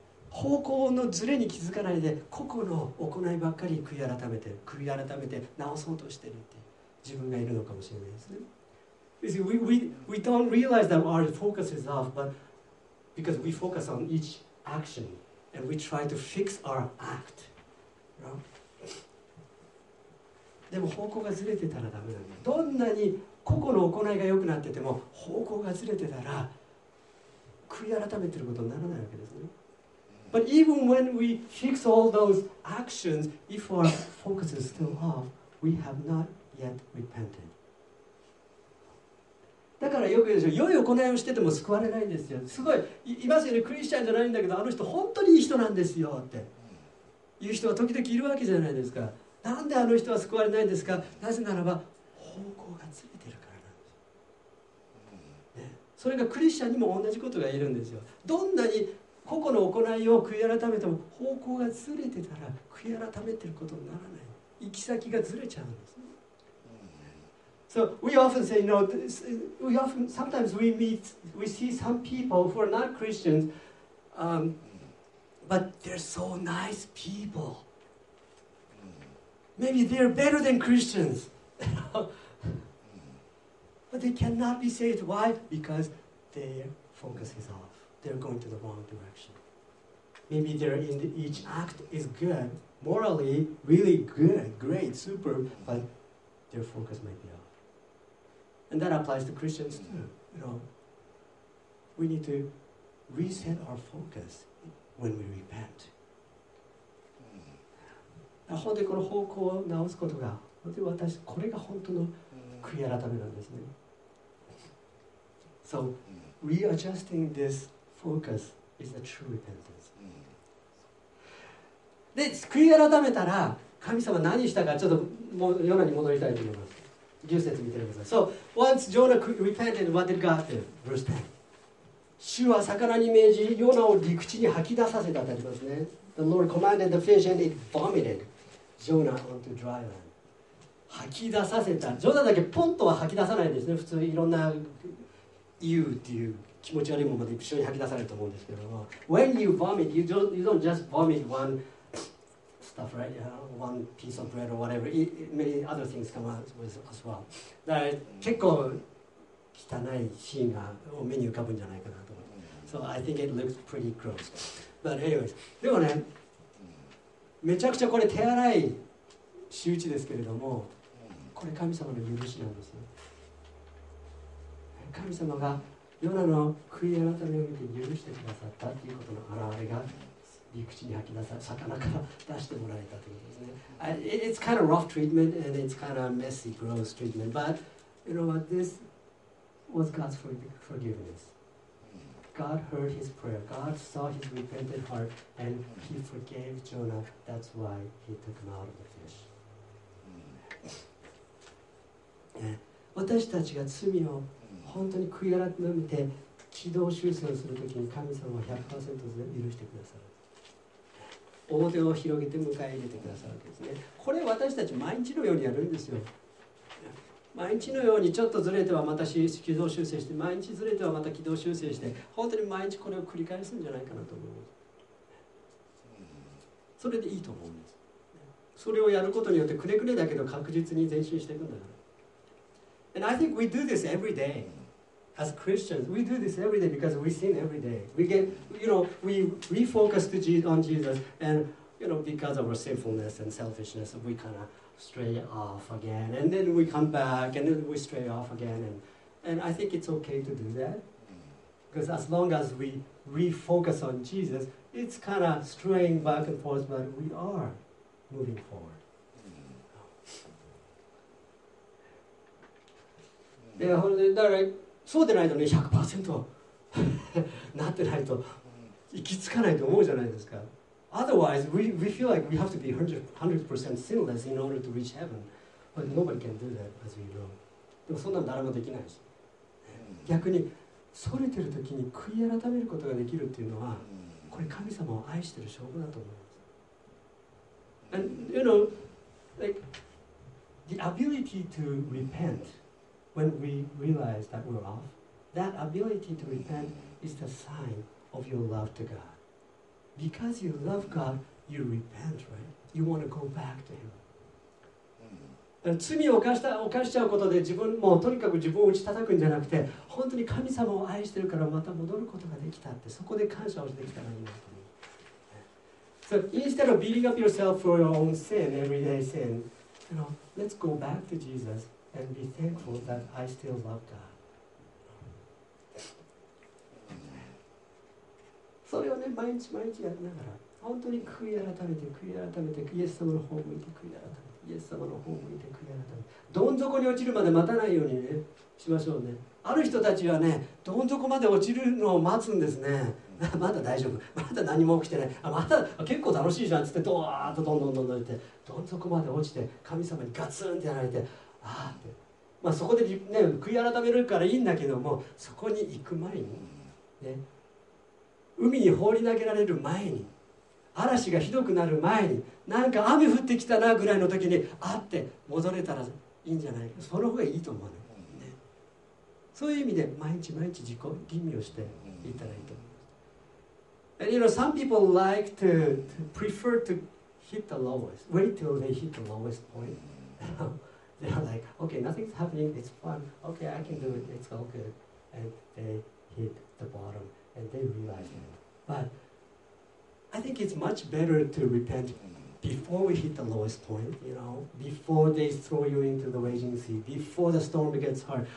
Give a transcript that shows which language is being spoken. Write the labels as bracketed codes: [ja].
[ja] 方向のズレに気づかないで、個々の行いばっかり悔い改めて、悔い改めて直そうとしてるって自分がいるのかもしれないですね。 [en] You see, we don't realize that our focus is off, but because we focus on each action and we try to fix our act. [ja] でも方向がずれてたらダメなんだ。どんなに個々の行いが良くなってても方向がずれてたら悔い改めてることにならないわけですね。 [en] But even when we fix all those actions, if our focus is still off, we have not yet repented. [ja] だからよく言うでしょ、良い行いをしてても救われないんですよ。すごい、いますよね、クリスチャンじゃないんだけど、あの人本当にいい人なんですよって言う人は時々いるわけじゃないですか。なんであの人は救われないんですか。なぜならば、方向がずれてるからなんです、ね。それがクリスチャンにも同じことが言えるんですよ。どんなに個々の行いを悔い改めても、方向がずれてたら悔い改めてることにならない。行き先がずれちゃうんです。 [en] So we often say, you know, we often, sometimes we meet, we see some people who are not Christians, but they're so nice people. Maybe they're better than Christians. But they cannot be saved. Why? Because their focus is off. They're going to the wrong direction. Maybe they're in the, each act is good, morally, really good, great, super, but their focus might be off. And that applies to Christians too. You know, we need to reset our focus when we repent. [ja] 本当にこの方向を直すことが、本当に私、これが本当の悔い改めなんですね。 [en] So, readjusting this focus is a true repentance. [ja] で、悔い改めたら、神様何したか、ちょっともう夜に戻りたいと思います。 [en] So, once Jonah repented, what did God do? Verse 10. [ja] 主は魚に命じ、ヨナを陸地に吐き出させたってありますね。 [en] The Lord commanded the fish and it vomited Jonah onto dry land. [ja] 吐き出させた。ジョナだけポンとは吐き出さないんですね。普通いろんな言うっていう気持ち悪いものまで一緒に吐き出されると思うんですけども。 [en] When you vomit, you don't just vomit one... Stuff, right? You know, one piece of bread or whatever. Many other things come out with as well. [ja] だから結構汚いシーンが目に浮かぶんじゃないかなと思って。 [en] So I think it looks pretty gross. But anyways, [ja] でもね、めちゃくちゃこれ手荒い仕打ちですけれども、これ神様の許しなんですよ。神様がヨナの悔い改めを見て許してくださったということの表れが。陸地に吐き出さ、魚から出してもらえたということですね。 [en] It's kind of rough treatment and it's kind of messy, gross treatment. But you know what? This was God's forgiveness. God heard his prayer. God saw his repentant heart and he forgave Jonah. That's why he took him out of the fish. [ja] 私たちが罪を本当に悔い改めて軌道修正するときに神様は 100% 許してくださる。大手を広げて迎え入れてくださるわけですね。これ私たち毎日のようにやるんですよ。毎日のようにちょっとずれてはまた軌道修正して、毎日ずれてはまた軌道修正して、本当に毎日これを繰り返すんじゃないかなと思います。それでいいと思うんです。それをやることによってくねくねだけど確実に前進していくんだから。 [en] And I think we do this every dayAs Christians, we do this every day because we sin every day. We get, you know, we refocus to Jesus, on Jesus, and you know, because of our sinfulness and selfishness, we kind of stray off again, and then we come back, and then we stray off again, and I think it's okay to do that, because as long as we refocus on Jesus, it's kind of straying back and forth, but we are moving forward. Yeah, that right. [ja] そうでないとね、100% なってないと行き着かないと思うじゃないですか。 [en] Otherwise, we feel like we have to be 100% sinless in order to reach heaven. But nobody can do that, as we know. [ja] でもそんなの誰もできないし。逆に、それてる時に悔い改めることができるっていうのは、これ神様を愛してる証拠だと思います。 [en] And, you know, like, the ability to repentWhen we realize that we're off, that ability to repent is the sign of your love to God. Because you love God, you repent, right? You want to go back to Him. [ja] 罪を犯しちゃうことで自分もとにかく自分を打ち叩くんじゃなくて、本当に神様を愛してるからまた戻ることができたって、そこで感謝をしてきたらいいなと思う。 [en] So instead of beating up yourself for your own sin, everyday sin, you know, let's go back to Jesus. And be thankful that I still love God. [ja] それをね、毎日毎日やりながら、本当に悔い改めて、悔い改めて、イエス様の方向いて、悔い改めて、イエス様の方向いて、悔い改めて、どん底に落ちるまで待たないようにね、しましょうね。ある人たちはね、どん底まで落ちるのを待つんですね。まだ大丈夫、まだ何も起きてない、あ、また結構楽しいじゃんって、ドワーッとどんどんって、どん底まで落ちて、神様にガツンってやられて、ああって、まあ、そこで、ね、悔い改めるからいいんだけども、そこに行く前に、ね、海に放り投げられる前に、嵐がひどくなる前に、なんか雨降ってきたなぐらいの時に、あって戻れたらいいんじゃないか、その方がいいと思う、ね、そういう意味で毎日毎日自己吟味をしていったらいいと思います。 [en] And you know, some people like to prefer to hit the lowest, wait till they hit the lowest point. They're like, okay, nothing's happening, it's fun, okay, I can do it, it's all good. And they hit the bottom, and they realize it. But I think it's much better to repent before we hit the lowest point, you know, before they throw you into the raging sea, before the storm gets hard.